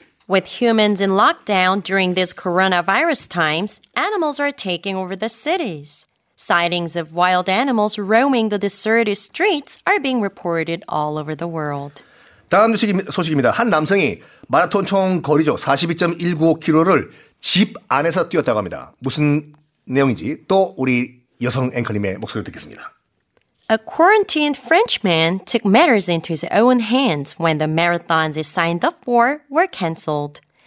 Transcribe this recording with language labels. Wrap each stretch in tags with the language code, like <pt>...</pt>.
<en>With humans in lockdown during this coronavirus times, animals are taking over the cities. Sightings of wild animals roaming the deserted streets are being reported all over the world.</en> <ko>다음 소식입니다. 한 남성이 마라톤 총 거리죠. 42.195km를 집 안에서 뛰었다고 합니다. 무슨 내용인지 또 우리 여성 앵커님의 목소리를 듣겠습니다.</ko> <en>A quarantined Frenchman took matters into his own hands when the marathons he signed up for were cancelled.</en>